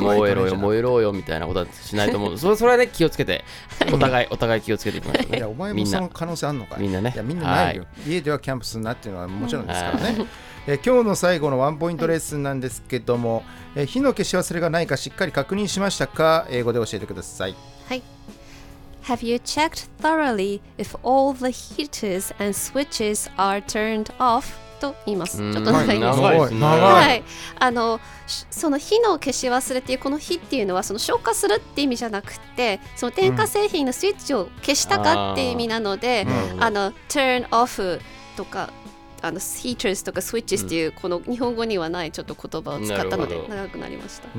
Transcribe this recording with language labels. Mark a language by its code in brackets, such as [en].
[ja] 燃えろよ燃えろよみたいなことはしないと思う。それはね、気をつけて、お互い気をつけていきましょうね。いや、お前もその可能性あんのかい？みんなね。いや、みんなないよ、家ではキャンプするなっていうのはもちろんですからね。今日の最後のワンポイントレッスンなんですけども、火の消し忘れがないかしっかり確認しましたか？英語で教えてください。はい。 [en] Have you checked thoroughly if all the heaters and switches are turned off? [ja] と言います。ちょっと長いですね。長い。その火の消し忘れっていう、この火っていうのはその消火するって意味じゃなくて、その電化製品のスイッチを消したかっていう意味なので、turn off とか、heaters とか switches っていう、この日本語にはないちょっと言葉を使ったので長くなりました。